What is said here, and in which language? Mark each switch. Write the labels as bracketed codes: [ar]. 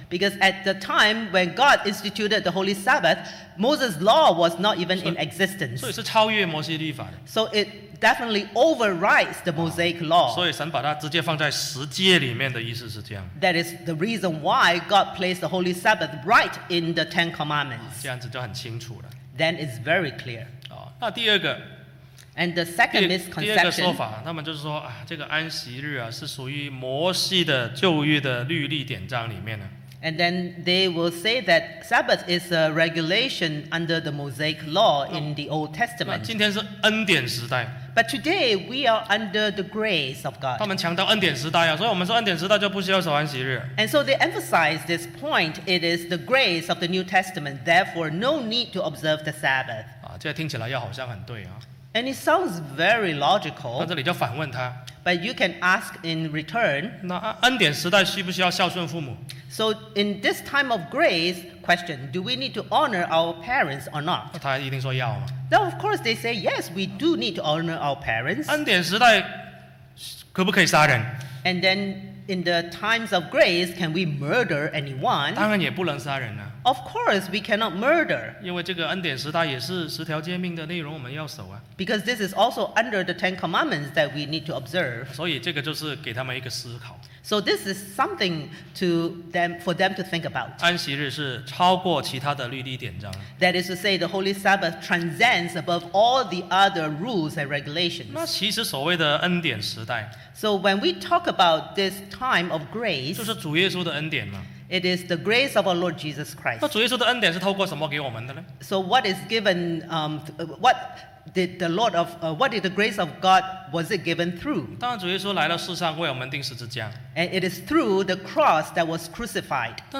[en] Because at the time when God instituted the Holy Sabbath, Moses' law was not even in existence. [zh] 所以是超越摩西律法的。 [en] So it definitely overrides the Mosaic law. [zh] 所以神把它直接放在十诫里面的意思是这样。 [en] That is the reason why God placed the Holy Sabbath right in the Ten Commandments. [zh] 这样子就很清楚了。 [en] Then it's very clear. [zh] 那第二个。 [en] And the second misconception. [zh] 第二个说法，他们就是说啊，这个安息日啊，是属于摩西的旧约的律例典章里面的。 [en] And then they will say that Sabbath is a regulation under the Mosaic law in the Old Testament. [zh] 今天是恩典时代。 [en] But today we are under the grace of God. [zh] 他们强调恩典时代啊，所以我们说恩典时代就不需要守安息日。 [en] And so they emphasize this point. It is the grace of the New Testament. Therefore, no need to observe the Sabbath. [zh] 啊，这听起来要好像很对啊。 [en] And it sounds very logical. [zh] 那这里就反问他。 [en] But you can ask in return. [zh] 那恩典时代需不需要孝顺父母？ [en] So in this time of grace, question: Do we need to honor our parents or not? [zh] 他一定说要嘛。 [en] Now of course they say yes, we do need to honor our parents. [zh] 恩典时代可不可以杀人？ [en] And then in the times of grace, can we murder anyone? [zh] 当然也不能杀人啊。 [en] Of course, we cannot murder. [zh] 因为这个恩典时代也是十条诫命的内容，我们要守啊。 [en] Because this is also under the Ten Commandments that we need to observe. [zh] 所以这个就是给他们一个思考。 [en] So this is something to them for them to think about. [zh] 安息日是超过其他的律例典章。 [en] That is to say, the Holy Sabbath transcends above all the other rules and regulations. [zh] 那其实所谓的恩典时代。 [en] So when we talk about this time of grace, [zh] 就是主耶稣的恩典嘛。 [en] It is the grace of our Lord Jesus Christ. [zh] 那主耶稣的恩典是透过什么给我们的呢？ [en] So what is given? What did the Lord of what did the grace of God was it given through? [zh] 当然，主耶稣来到世上为我们钉十字架。 [en] And it is through the cross that was crucified.